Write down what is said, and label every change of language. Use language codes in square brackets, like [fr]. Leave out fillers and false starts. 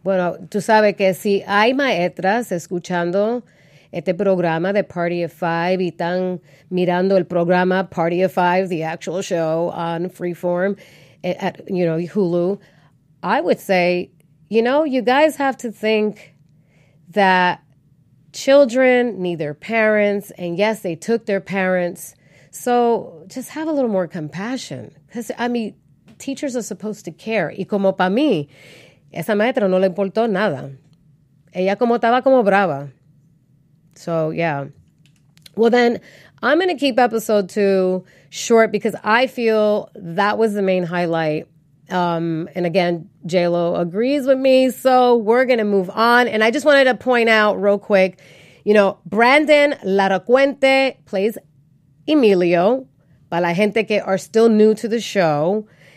[es] Bueno, tú sabes que si hay maestras escuchando este programa de Party of Five [en] y están mirando el programa Party of Five, the actual show on Freeform, at, you know, Hulu, I would say, you know, you guys have to think that children need their parents, and yes, they took their parents. So just have a little more compassion. Because, I mean, teachers are supposed to care. [es] Y como para mí, esa maestra no le importó nada. Ella como estaba como brava. [en] So, yeah. Well, then, I'm going to keep episode two short because I feel that was the main highlight. And again, J-Lo agrees with me, so we're going to move on. And I just wanted to point out real quick, you know, Brandon Larocuente plays Emilio, [es] para la gente que [en] are still new to the show.